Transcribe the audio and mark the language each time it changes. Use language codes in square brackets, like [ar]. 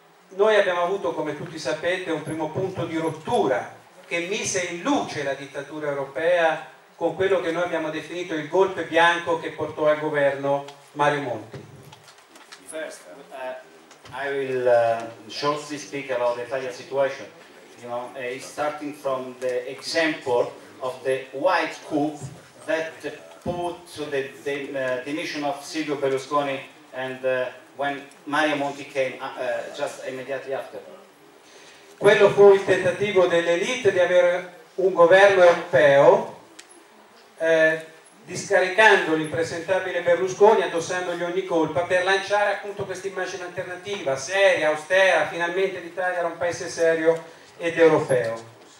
[it] Noi abbiamo avuto, come tutti sapete, un primo punto di rottura che mise in luce la dittatura europea con quello che noi abbiamo definito il golpe bianco che portò al governo Mario Monti. [en] First, I will shortly speak about the Italian situation. You know, starting from the example of the white coup that put the dimission of Silvio Berlusconi and when Mario Monti came just immediately after. [it] Quello fu il tentativo dell'elite di avere un governo europeo, discaricando l'impresentabile Berlusconi, addossandogli ogni colpa, per lanciare appunto questa immagine alternativa, seria, austera, finalmente l'Italia era un paese serio ed europeo.